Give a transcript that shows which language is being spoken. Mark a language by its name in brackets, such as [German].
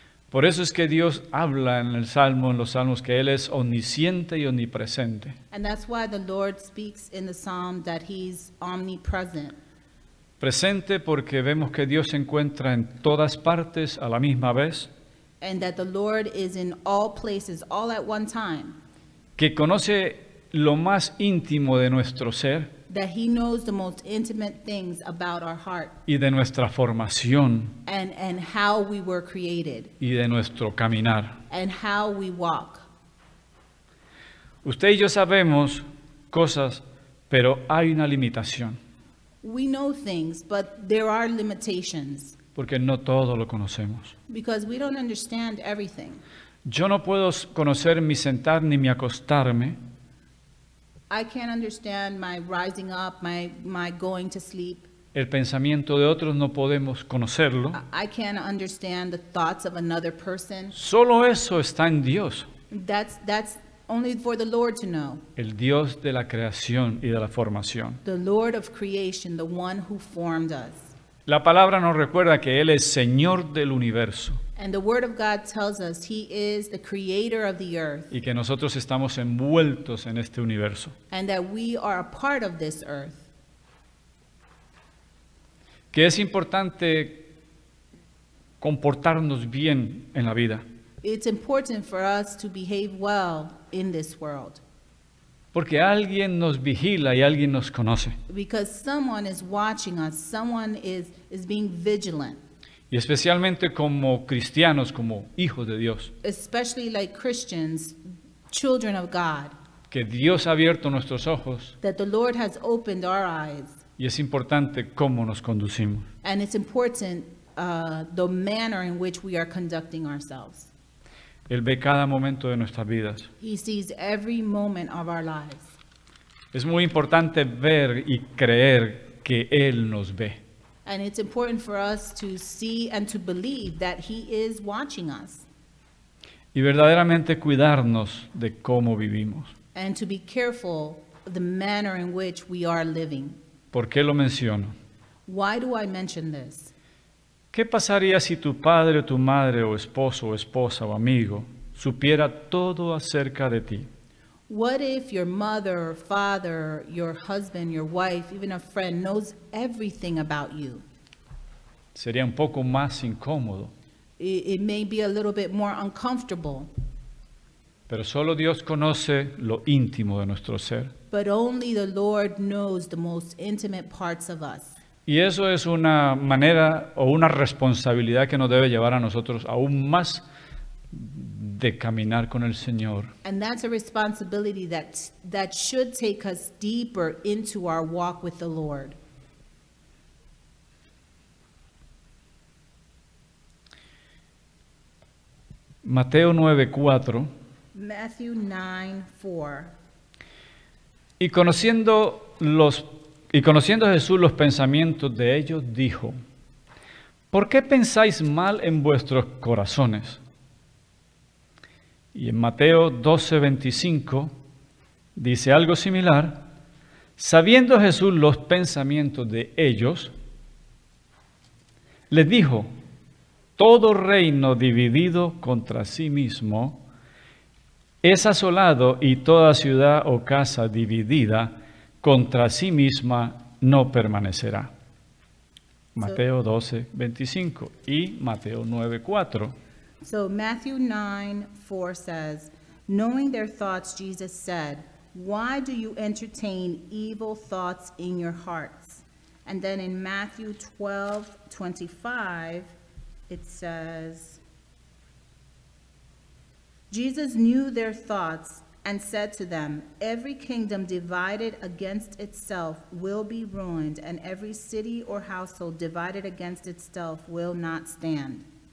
[Spanish] Por eso es que Dios habla en el salmo, en los salmos, que Él es omnisciente y omnipresente. [English] And that's why the Lord speaks in the psalm that He's omnipresent. [Spanish] Presente porque vemos que Dios se encuentra en todas partes a la misma vez. [English] And that the Lord is in all places, all at one time. [Spanish] Que conoce lo más íntimo de nuestro ser. [English] That He knows the most intimate things about our heart. [Spanish] Y de nuestra formación. [English] And how we were created. [Spanish] Y de nuestro caminar. [English] And how we walk. [Spanish] Usted y yo sabemos cosas, pero hay una limitación. [English] We know things, but there are limitations. [Spanish] Porque no todo lo conocemos. [English] Because we don't understand everything. [Spanish] Yo no puedo conocer mi sentar ni mi acostarme. [English] I can't understand my rising up, my going to sleep. [Spanish] El pensamiento de otros no podemos conocerlo. [English] I can't understand the thoughts of another person. [Spanish] Solo eso está en Dios. [English] That's only for the Lord to know. [Spanish] El Dios de la creación y de la formación. [English] The Lord of creation, the one who formed us. [Spanish] La palabra nos recuerda que Él es Señor del universo. [English] And the word of God tells us He is the creator of the earth. [Spanish] Y que nosotros estamos envueltos en este universo. [English] And that we are a part of this earth. [Spanish] Que es importante comportarnos bien en la vida. [English] It's important for us to behave well in this world. [Spanish] Porque alguien nos vigila y alguien nos conoce. [English] Because someone is watching us, someone is being vigilant. [Spanish] Y especialmente como cristianos, como hijos de Dios. [English] Especially like Christians, children of God. [Spanish] Que Dios ha abierto nuestros ojos. [English] That the Lord has opened our eyes. [Spanish] Y es importante cómo nos conducimos. [English] And it's important the manner in which we are conducting ourselves. [Spanish] Él ve cada momento de nuestras vidas. [English] He sees every moment of our lives. [Spanish] Es muy importante ver y creer que Él nos ve. [English] And it's important for us to see and to believe that He is watching us. [Spanish] Y verdaderamente cuidarnos de cómo vivimos. [English] And to be careful of the manner in which we are living. [Spanish] ¿Por qué lo menciono? [English] Why do I mention this? [Spanish] ¿Qué pasaría si tu padre o tu madre o esposo o esposa o amigo supiera todo acerca de ti? [English] What if your mother or father, your husband, your wife, even a friend knows everything about you? [Spanish] Sería un poco más incómodo. [English] It may be a little bit more uncomfortable. [Spanish] Pero solo Dios conoce lo íntimo de nuestro ser. [English] But only the Lord knows the most intimate parts of us. [Spanish] Y eso es una manera o una responsabilidad que nos debe llevar a nosotros aún más de caminar con el Señor. [English] And that's a responsibility that should take us deeper into our walk with the Lord. [Spanish] Mateo 9:4. [English] Matthew 9:4. [Spanish] Y conociendo Jesús los pensamientos de ellos, dijo: ¿Por qué pensáis mal en vuestros corazones? Y en Mateo 12:25 dice algo similar: Sabiendo Jesús los pensamientos de ellos, les dijo: Todo reino dividido contra sí mismo es asolado, y toda ciudad o casa dividida contra sí misma no permanecerá. Mateo 12:25 y Mateo 9:4. [English] So Matthew 9:4 says, Knowing their thoughts, Jesus said, Why do you entertain evil thoughts in your hearts? And then in Matthew 12:25, it says, Jesus knew their thoughts and said to them, Every kingdom divided against itself will be ruined, and every city or household divided against itself will not stand.